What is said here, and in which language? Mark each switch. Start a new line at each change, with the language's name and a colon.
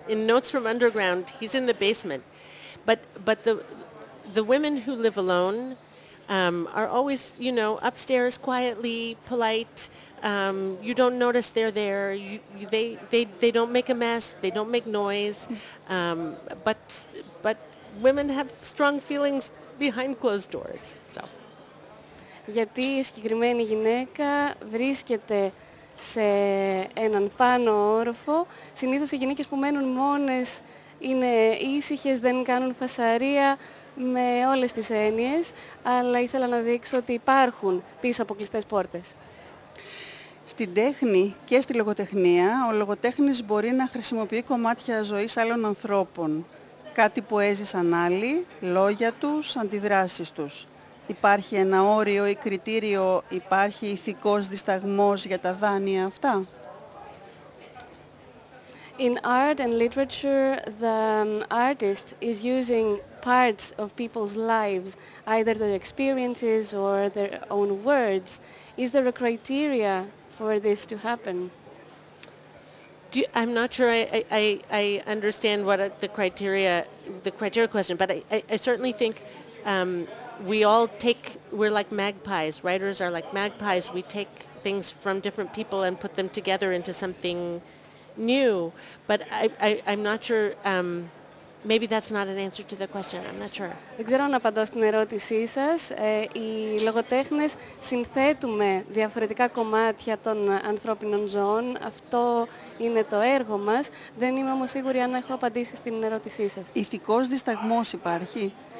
English: In Notes from Underground, he's in the basement. But the women who live alone are always, you know, upstairs, quietly, polite. You don't notice they're there. They don't make a mess. They don't make noise. But women have strong feelings behind closed doors. So.
Greek: Γιατί η συγκεκριμένη γυναίκα βρίσκεται σε έναν πάνω όροφο. Συνήθως οι γυναίκες που μένουν μόνες είναι ήσυχες, δεν κάνουν φασαρία με όλες τις έννοιες, αλλά ήθελα να δείξω ότι υπάρχουν πίσω από κλειστές πόρτες. Στην τέχνη και στη λογοτεχνία, ο λογοτέχνης μπορεί να χρησιμοποιεί κομμάτια ζωής άλλων ανθρώπων, κάτι που έζησαν άλλοι, λόγια τους, αντιδράσεις τους. Υπάρχει ένα όριο ή κριτήριο, υπάρχει ηθικός δισταγμός για τα δάνεια αυτά?
English: In art and literature, the artist is using parts of people's lives, either their experiences or their own words. Is there a criteria for this to happen? I'm not sure I understand what the criteria question, but I certainly think we're like magpies. Writers are like magpies. We take things from different people and put them together into something new. But I'm not sure. Maybe that's not an answer to the question. I'm not sure.
Greek: Δεν ξέρω αν απαντώ στην ερώτησή σας. Οι λογοτέχνες συνθέτουμε διαφορετικά κομμάτια των ανθρώπινων ζώων. Αυτό είναι το έργο μας. Δεν είμαι όμως σίγουρη αν έχω απαντήσει στην ερώτησή σας. Ηθικός δισταγμός υπάρχει?